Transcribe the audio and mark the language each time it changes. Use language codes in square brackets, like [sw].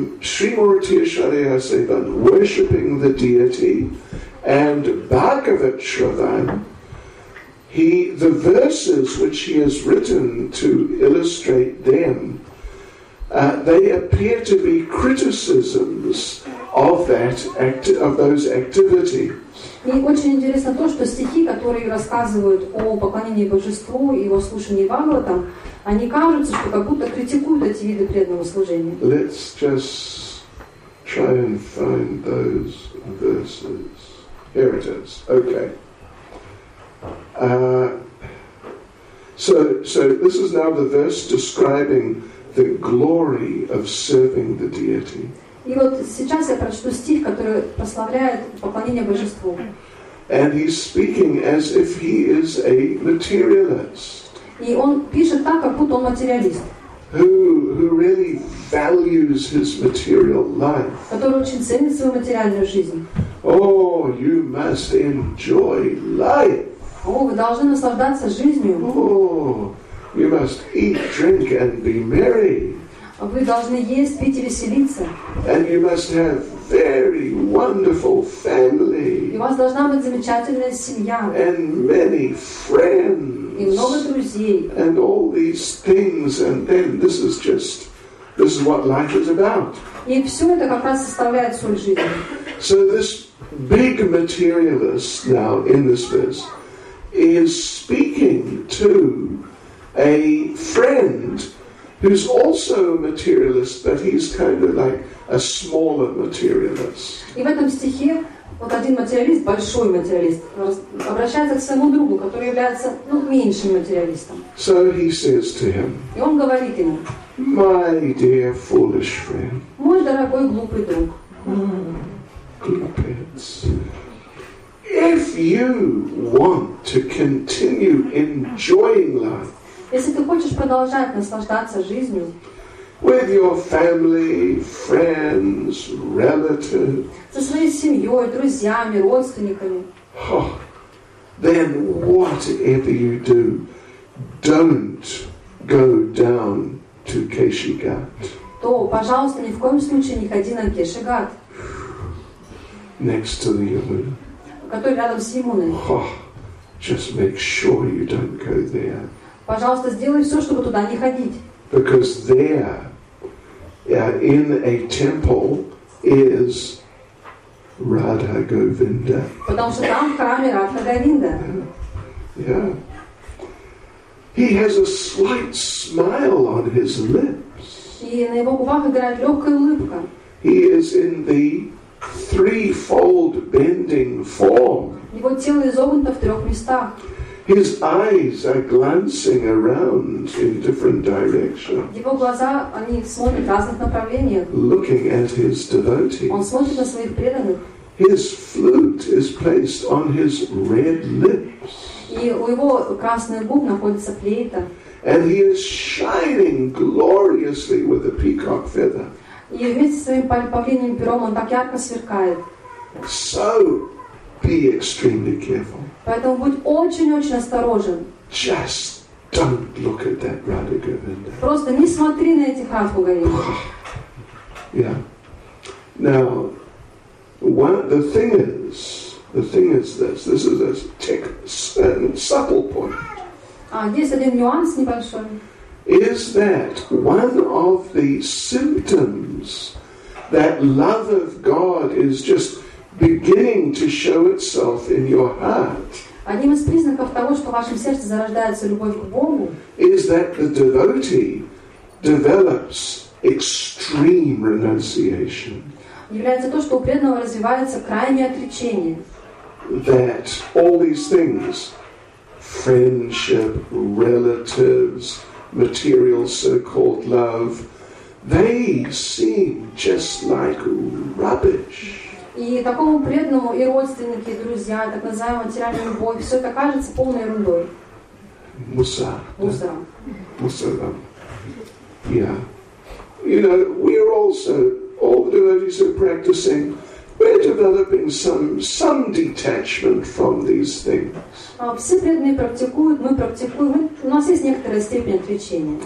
[en] Shri Murti Ashwaryasevan, worshipping the deity, and Bhagavat Shravan, the verses which he has written to illustrate them, they appear to be criticisms of those activities. [ru] И очень интересно то, что стихи, которые рассказывают о поклонении Божеству и о слушании Бхагаватам, они кажутся, что как будто критикуют эти виды преданного служения. [en] Let's just try and find those verses. Here it is. Okay. So this is now the verse describing the glory of serving the deity. [ru] И вот сейчас я прочту стих, который прославляет поклонение Божеству. [en] And he's speaking as if he is a materialist. [ru] И он пишет так, как будто он материалист. [en] Who really values his material life. [ru] Который очень ценит свою материальную жизнь. [en] Oh, you must enjoy life. [ru] О, вы должны наслаждаться жизнью. [en] Oh, you must eat, drink and be merry. [ru] Вы должны есть, пить и веселиться. [en] And you must have very wonderful family. [ru] И у вас должна быть замечательная семья. [en] And many friends. [ru] И много друзей. [en] And all these things, and then this is what life is about. [ru] И все это как раз составляет суть жизни. [en] So this big materialist now in this verse is speaking to a friend who's also a materialist, but he's kind of like a smaller materialist. [ru] И в этом стихе вот один материалист, большой материалист, обращается к своему другу, который является, ну, меньшим материалистом. [en] So he says to him. [ru] И он говорит ему. [en] My dear foolish friend. [ru] Мой дорогой глупый друг. [en] Glupitz. If you want to continue enjoying life. [ru] Если ты хочешь продолжать наслаждаться жизнью. [en] With your family, friends, relatives. [ru] Со своей семьей, друзьями, родственниками. [en] Oh, then whatever you do, don't go down to Кешигат. [ru] То, пожалуйста, ни в коем случае не ходи на Кешигат. [en] Next to the Yamuna. [ru] Который рядом с Ямуной. [en] Oh, just make sure you don't go there. [ru] Пожалуйста, сделай все, чтобы туда не ходить. [en] Because there, in a temple, is Radha Govinda. [ru] Потому что там в храме Радха Говинда. [en] Yeah. He has a slight smile on his lips. [ru] И на его губах играет легкая улыбка. [en] He is in the threefold bending form. [ru] Его тело изогнуто в трех местах. [en] His eyes are glancing around in different directions. [ru] Его глаза, они смотрят в разных направлениях. [en] Looking at his devotees. [ru] Он смотрит на своих преданных. [en] His flute is placed on his red lips. [ru] И у его красных губ находится флейта. [en] And he is shining gloriously with a peacock feather. [ru] И вместе со своим павлиньим пером он так ярко сверкает. [en] So be extremely careful. [ru] Поэтому будь очень-очень осторожен. [en] Just don't look at that Radha Govinda. [ru] Просто не смотри на этих Радху Говинд. [en] Yeah. Now, the thing is this. This is a subtle point. [ru] А есть один нюанс небольшой. [en] Is that one of the symptoms that love of God is just beginning to show itself in your heart? [ru] Одним из признаков того, что в вашем сердце зарождается любовь к Богу, [en] is that the devotee develops extreme renunciation. [ru] Является то, что у преданного развивается крайнее отречение. [en] That all these things, friendship, relatives, material so-called love, they seem just like rubbish. [ru] И такому преданному, и родственники, и друзья, и так называемая материальная любовь, все это кажется полной ерундой. Мусарам. Yeah. [en] You know, we are also, all the devotees are practicing, we're developing some detachment from these things. [ru] Все преданные практикуют, мы практикуем, у нас есть некоторая степень отречения.